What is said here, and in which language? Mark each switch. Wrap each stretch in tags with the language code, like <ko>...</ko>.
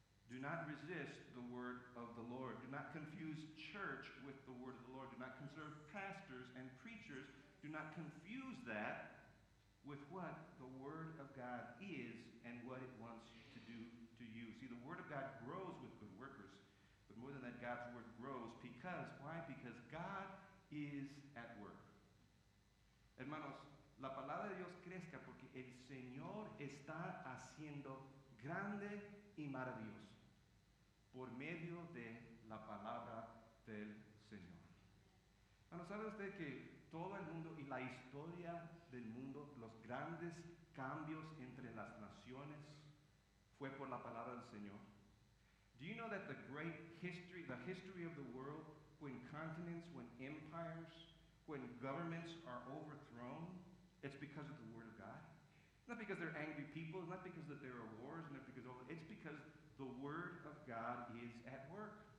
<en>Do not resist the Word of the Lord. Do not confuse church with the Word of the Lord. Do not conserve pastors and preachers. Do not confuse that with what the Word of God is and what it wants to do to you. See, the Word of God grows with good workers, but more than that, God's Word grows because, why? Because God is at work.</en> <es>Hermanos, la palabra de Dios crezca porque el Señor está haciendo grande y maravilloso por medio de la palabra del Señor. Bueno, ¿sabe usted que todo el mundo y la historia del mundo, los grandes cambios entre las naciones fue por la palabra del Señor?</es> <en>Do you know that the great history, the history of the world, when continents, when empires, when governments are overthrown, it's because of the Word of God? Not because they're angry people, not because that there are wars, not because all, it's because the Word of God is at work.</en>